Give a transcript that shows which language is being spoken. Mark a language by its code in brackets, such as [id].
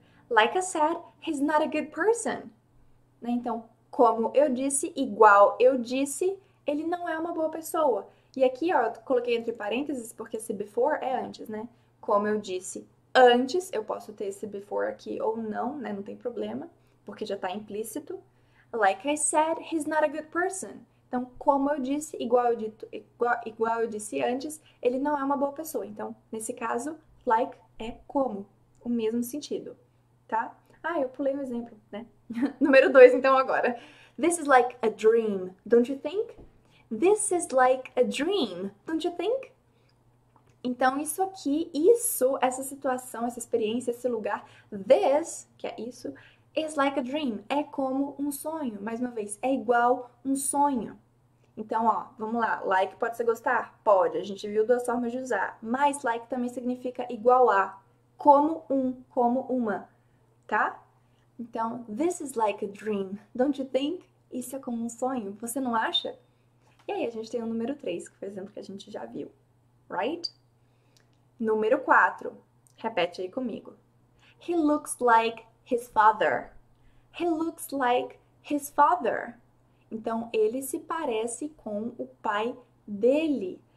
[en] Like I said, he's not a good person. [pt] Né? Então, como eu disse, igual eu disse, ele não é uma boa pessoa. E aqui, ó, eu coloquei entre parênteses porque esse before é antes, né? Como eu disse antes, eu posso ter esse before aqui ou não, né? Não tem problema, porque já tá implícito. [en] Like I said, he's not a good person. [pt] Então, como eu disse, igual eu disse antes, ele não é uma boa pessoa. Então, nesse caso, like é como, o mesmo sentido. Tá? Ah, eu pulei um exemplo, né? Número dois, então, agora. [en] This is like a dream, don't you think? This is like a dream, don't you think? [pt] Então, isso aqui, isso, essa situação, essa experiência, esse lugar, this, que é isso, [en] is like a dream. [pt] É como um sonho. Mais uma vez, é igual um sonho. Então, ó, vamos lá. Like pode ser gostar? Pode. A gente viu duas formas de usar. Mas like também significa igual a. Como um, como uma. Tá? [en] Então, this is like a dream, don't you think? [pt] Isso é como um sonho, você não acha? E aí, a gente tem o número 3, que foi o exemplo que a gente já viu, right? Número 4, repete aí comigo. [en] He looks like his father. He looks like his father. [pt] Então, ele se parece com o pai dele.